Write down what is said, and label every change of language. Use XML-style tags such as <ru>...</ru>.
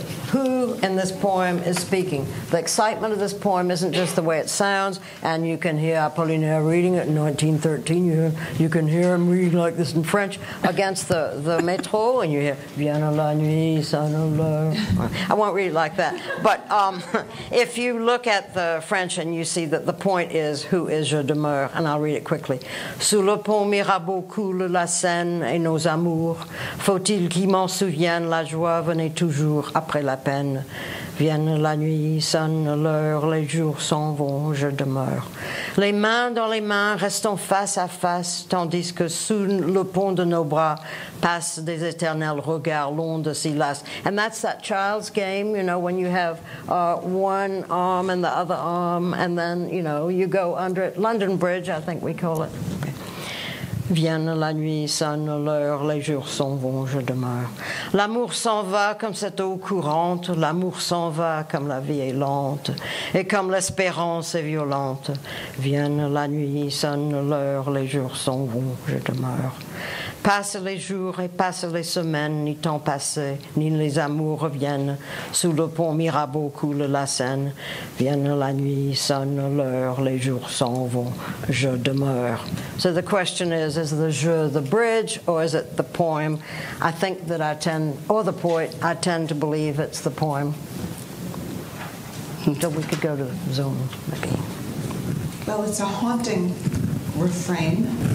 <en>Who in this poem is speaking? The excitement of this poem isn't just the way it sounds, and you can hear Apollinaire reading it in 1913. You can hear him reading like this in French against the métro, and you hear</en> <fr>Vienne la nuit, ça ne la.</fr> <en>I won't read it like that. But if you look at the French and you see that the point is who is</en> <fr>je demeure,</fr> <en>and I'll read it quickly.</en> <fr>Sous le pont Mirabeau coule la Seine et nos amours. Faut-il qu'ils m'en souviennent, la joie venait toujours. Après la peine, vienne la nuit, sonne l'heure, les jours s'en vont, je demeure. Les mains dans les mains, restons face à face, tandis que sous le pont de nos bras passent des éternels regards, l'onde si lasse.</fr> <en>And that's that child's game, you know, when you have one arm and the other arm, and then, you know, you go under it. London Bridge, I think we call it.</en> <fr>Vienne la nuit, sonne l'heure, les jours s'en vont, je demeure. L'amour s'en va comme cette eau courante, l'amour s'en va comme la vie est lente, et comme l'espérance est violente. Vienne la nuit, sonne l'heure, les jours s'en vont, je demeure. Passe les jours et passe les semaines, ni temps passé, ni les amours reviennent. Sous le pont Mirabeau coule la Seine. Vienne la nuit, sonne l'heure, les jours s'en vont, je demeure.</fr> <en>So the question is the je the bridge or is it the poem? I think that I tend, or the poet, I tend to believe it's the poem. So we could go to Zoom, maybe. Well, it's a haunting refrain.</en>